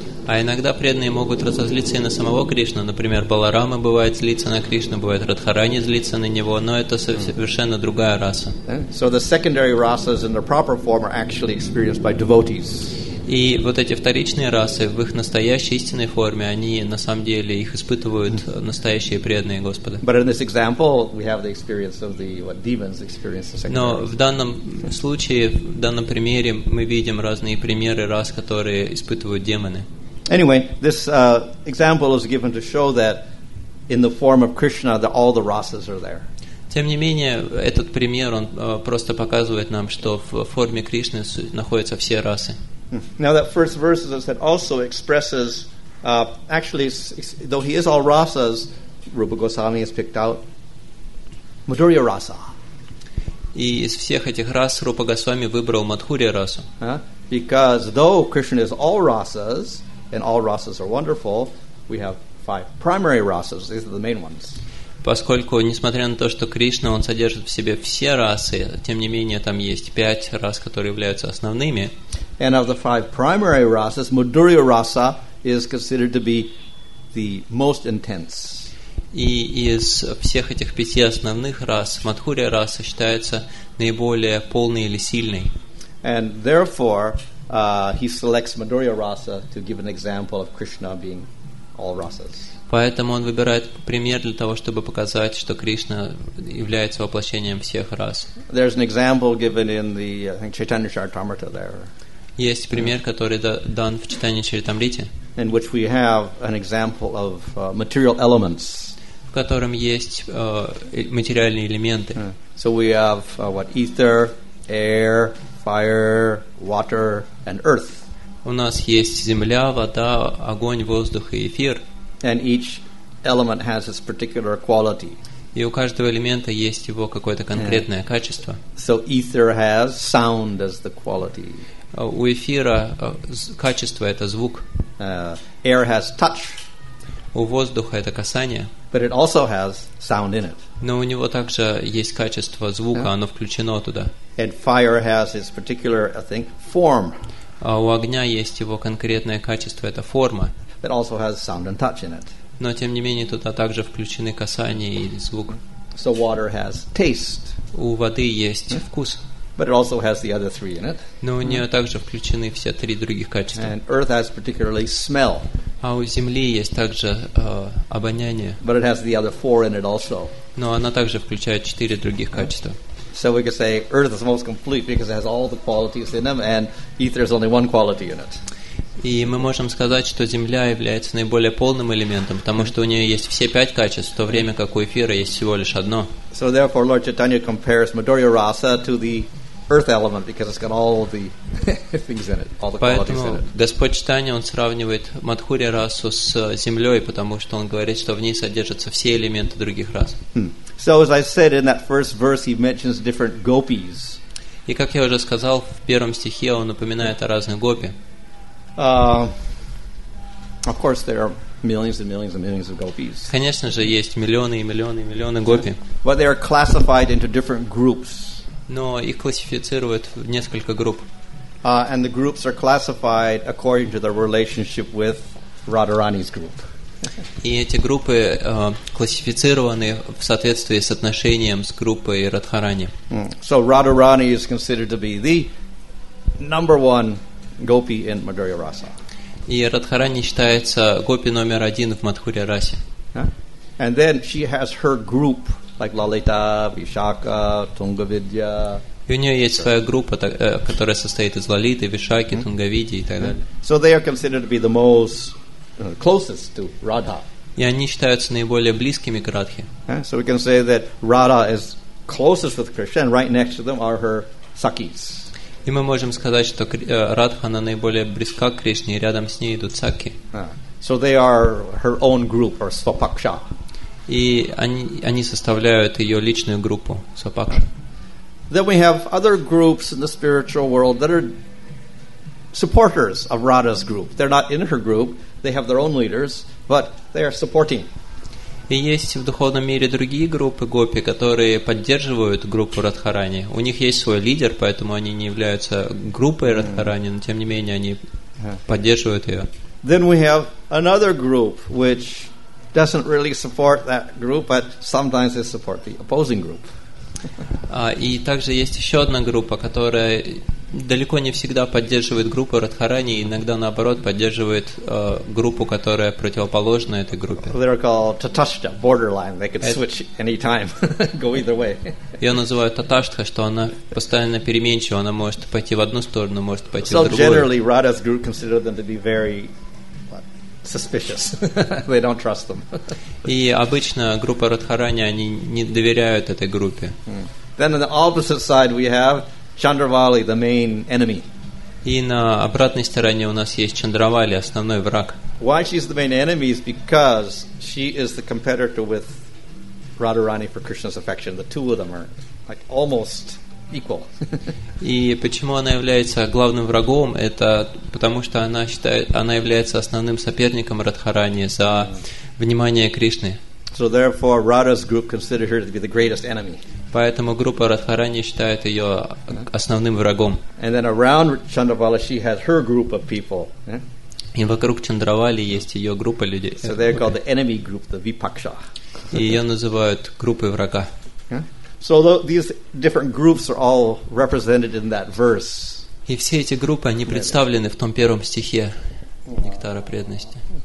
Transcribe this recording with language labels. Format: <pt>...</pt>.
<ru>А иногда преданные могут разозлиться и на самого Кришну. Например, Баларама бывает злиться на Кришну, бывает Радхарани злиться на него, но это совершенно другая раса.</ru> <en>So the secondary rasas in their proper form are actually experienced by devotees.</en> <ru>И вот эти вторичные расы в их настоящей истинной форме, они на самом деле их испытывают настоящие преданные Господа.</ru> <en>But in this example, we have the experience of what demons experience the secondary.</en> <ru>Но в данном случае, в данном примере, мы видим разные примеры рас, которые испытывают демоны.</ru> <en>Anyway, this example is given to show that in the form of Krishna, that all the rasas are there.</en> <ru>Тем не менее, этот пример он просто показывает нам, что в форме Кришны находятся все расы.</ru> <en>Now that first verse, as I said, also expresses actually, though he is all rasas, Rupa Goswami has picked out Madhurya rasa.</en> <ru>И из всех этих рас Рупа Госвами выбрал Мадхурья расу.</ru> <en>Because though Krishna is all rasas, and all rasas are wonderful, we have 5 primary rasas. These are the main ones.</en> <ru>Поскольку, несмотря на то, что Кришна, он содержит в себе все расы, тем не менее, там есть 5 рас, которые являются основными.</ru> <en>And of the 5 primary rasas, Madhurya rasa is considered to be the most intense.</en> <ru>И из всех этих 5 основных рас, Мадхурья раса считается наиболее полной или сильной.</ru> <en>And therefore, he selects Madhurya rasa to give an example of Krishna being all rasas.</en> <ru>Поэтому он выбирает пример для того, чтобы показать, что Кришна является воплощением всех рас.</ru> <en>There's an example given in the Chaitanya Charitamrita there.</en> <ru>Есть пример, который дан в Чайтанья Чаритамрите.</ru> <en>In which we have an example of material elements.</en> <ru>В котором есть материальные элементы.</ru> <en>So we have ether, air, fire, water, and earth.</en> <ru>У нас есть земля, вода, огонь, воздух и эфир.</ru> <en>And each element has its particular quality.</en> <ru>И у каждого элемента есть его какое-то конкретное качество.</ru> <en>So ether has sound as the quality.</en> <ru>у эфира качество это звук.</ru> <en>Air has touch.</en> <ru>У воздуха это касание.</ru> <en>But it also has sound in it.</en> <ru>Но у него также есть качество звука, оно включено туда.</ru> <en>And fire has its particular, I think, form.</en> <ru>А у огня есть его конкретное качество, это форма.</ru> <en>It also has sound and touch in it.</en> <ru>Но тем не менее туда также включены касание и звук.</ru> <en>So water has taste.</en> <ru>У воды есть вкус.</ru> <en>But it also has the other three in it.</en> <ru>Но у нее также включены все три других качества.</ru> <en>And earth has particularly smell.</en> <ru>А у земли есть также обоняние.</ru> <en>But it has the other four in it also.</en> <ru>Но она также включает четыре других качества.</ru> <en>So we could say earth is most complete because it has all the qualities in them, and ether is only one quality in it.</en> <ru>И мы можем сказать, что земля является наиболее полным элементом, потому что у нее есть все пять качеств, в то время как у эфира есть всего лишь одно.</ru> <en>So therefore, Lord Chaitanya compares Madhurya Rasa to the earth element because it's got all the things in it, all the qualities</en> <ru>Поэтому</ru> <en>in it.</en> <ru>Господь Читания, он сравнивает Мадхурья Расу с землей, потому что он говорит, что в ней содержатся все элементы других рас.</ru> <en>So as I said in that first verse, he mentions different gopis.</en> <ru>И как я уже сказал, в первом стихе он упоминает о разных гопи.</ru> <en>Of course, there are millions and millions and millions of gopis.</en> <ru>Конечно же, есть миллионы и миллионы и миллионы гопи.</ru> <en>But they are classified into different groups.</en> <ru>Но их классифицируют в несколько групп.</ru> <en>And the groups are classified according to their relationship with Radharani's group.</en> <ru>И эти группы классифицированы в соответствии с отношением с группой Радхарани.</ru> <en>So Radharani is considered to be the number one gopi in Madhurya Rasa.</en> <ru>И Радхарани считается гопи номер один в Мадхурья Расе.</ru> <en>And then she has her group. Like Lalita, Vishaka, Tungavidya.</en> <ru>И у нее есть своя группа, которая состоит из Лалиты, Вишаки, Тунгавиди и так далее.</ru> <en>So they are considered to be the most closest to Radha.</en> <ru>И они считаются наиболее близкими к Радхе.</ru> <en>So we can say that Radha is closest with Krishna, and right next to them are her Sakis.</en> <ru>И мы можем сказать, что Радха она наиболее близка к Кришне, и рядом с ней идут Саки.</ru> <en>So they are her own group or Svapaksha.</en> <ru>И они составляют ее личную группу, Свапакша.</ru> <en>Then we have other groups in the spiritual world that are supporters of Radha's group. They're not in her group, they have their own leaders, but they are supporting.</en> <ru>И есть в духовном мире другие группы гопи, которые поддерживают группу Радхарани. У них есть свой лидер, поэтому они не являются группой Радхарани, но тем не менее они поддерживают ее.</ru> <en>Then we have another group, which doesn't really support that group, but sometimes they support the opposing group.</en> <ru>И также есть еще одна группа, которая далеко не всегда поддерживает группу Радхарани, иногда наоборот поддерживает группу, которая противоположна этой группе.</ru> <en>They're called Tatashta, borderline. They could switch any time, go either way.</en> <ru>Ее называют Tatashta, что она постоянно переменчива, она может пойти в одну сторону, может пойти в другую.</ru> <en>So generally, Radha's group considered them to be very suspicious. They don't trust them.</en> <ru>И обычно группа Радхарани они не доверяют этой группе.</ru> <en>Then on the opposite side we have Chandravali, the main enemy.</en> <ru>И на обратной стороне у нас есть Чандравали, основной враг.</ru> <en>Why she's the main enemy is because she is the competitor with Radharani for Krishna's affection. The two of them are like almost equal.</en> <ru>И почему она является главным врагом? Это потому что она считает, она является основным соперником Радхарани за внимание Кришны.</ru> <en>So therefore, Radha's group considered her to be the greatest enemy.</en> <ru>Поэтому группа Радхарани считает ее основным врагом.</ru> <en>And then around Chandravali, she has her group of people.</en> <ru>И вокруг Чандравали есть ее группа людей.</ru> <en>So they're called the enemy group, the Vipaksha.</en> <ru>И ее называют группой врага.</ru> <en>So these different groups are all represented in that verse.</en> <ru>И все эти группы они представлены в том первом стихе Нектара преданности.</ru>